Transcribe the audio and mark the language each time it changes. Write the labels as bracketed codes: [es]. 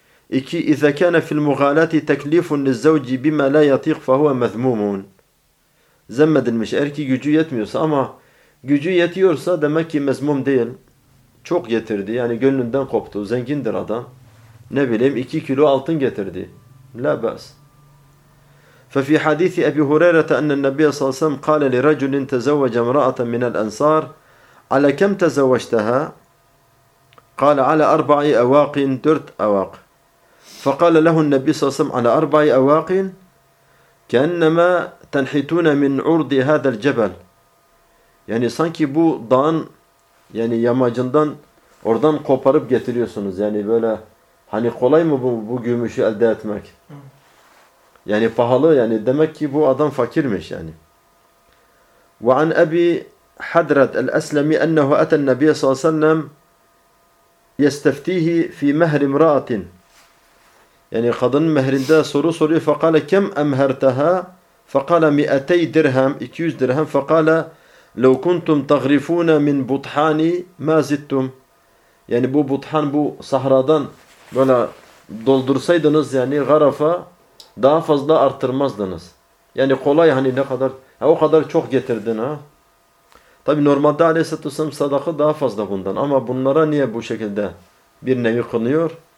[ar] 2. اِذَا كَانَ فِي الْمُغَالَةِ تَكْلِيفٌ لِلزَّوْجِ بِمَا لَا يَطِيقْ فَهُوَ مَذْمُومُونَ. [tr] Zemmedilmiş. Eğer ki gücü yetmiyorsa, ama gücü yetiyorsa demek ki mezmum değil. Çok getirdi. Yani gönlünden koptu. Zengindir adam. Ne bileyim 2 kilo altın getirdi. [ar] La bas. فَفِي حَدِيثِ أَبِي هُرَيْرَةَ أَنَّ النَّبِيَ صَلَى اللّٰهُ سَلَّمَ قَالَ لِرَجُلٍ تَزَوَّجَ امْرَأَةً مِنَ الْأَنْصَارِ عَلَى كَمْ تَزَوَّجْتَهَا قَالَ عَلَى أَرْبَعِ أَوَاقٍ دُرْتْ أَوَاقٍ فقال له النبي صلى الله عليه وسلم على أربع أواق كأنما تنحتون من عرض هذا الجبل. [tr] يعني sanki bu dağın yani yamacından oradan koparıp getiriyorsunuz. Yani böyle hani kolay mı bu gümüşü elde etmek? Yani pahalı yani demek ki bu adam fakirmiş yani. [ar] وعن أبي حدرد الأسلمي أنه أتى النبي صلى الله عليه وسلم يستفتيه في مهر امرأة. [tr] Yani kadının mehrinde soru soruyor. [ar] فَقَالَ كَمْ أَمْهَرْتَهَا فَقَالَ [tr] 200 dirhem 200 dirhem [ar] فَقَالَ لَوْ كُنْتُمْ تَغْرِفُونَ مِنْ بُطْحَانِ مَا زِدْتُمْ. [tr] Yani bu butan bu sahradan böyle doldursaydınız yani garafa daha fazla arttırmazdınız. Yani kolay hani ne kadar ha, o kadar çok getirdin ha. Tabii normalde Aleyhisselatü Vesselam sadakı daha fazla bundan ama bunlara niye bu şekilde bir nevi kınıyor?